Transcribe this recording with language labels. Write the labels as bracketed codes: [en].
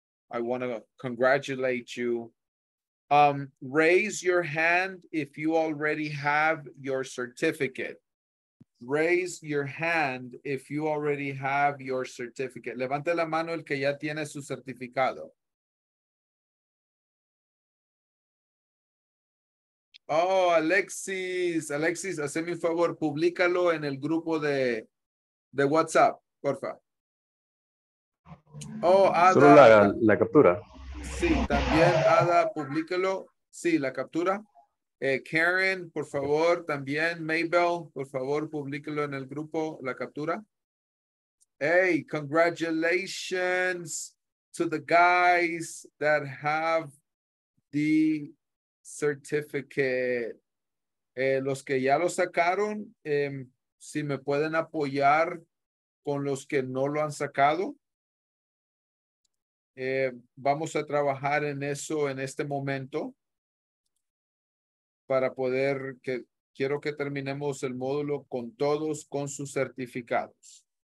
[en] I want to congratulate you. Raise your hand if you already have your certificate. Raise your hand if you already have your certificate. [es] Levante la mano el que ya tiene su certificado. Oh, Alexis, haceme un favor, publícalo en el grupo de WhatsApp, porfa. Oh, Ada. Solo la captura. Sí, también Ada, publíquelo. Sí, la captura. Karen, por favor, también Maybell, por favor, publíquelo en el grupo, la captura. [en] Hey, congratulations to the guys that have the certificate. [es] Los que ya lo sacaron, si me pueden apoyar con los que no lo han sacado. Vamos a trabajar en eso en este momento para poder, que quiero que terminemos el módulo con todos, con sus certificados.